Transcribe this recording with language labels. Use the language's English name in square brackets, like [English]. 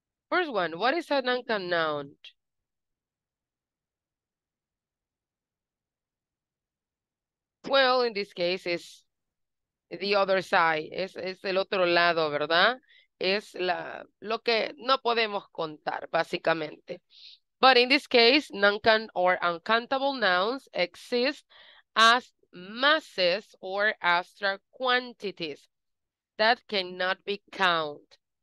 [English] First one, what is a non-count noun? Well, in this case, it's the other side. [Spanish] Es el otro lado, ¿verdad? Es la lo que no podemos contar, básicamente. [English] But in this case, non-count or uncountable nouns exist as masses or abstract quantities that cannot be counted.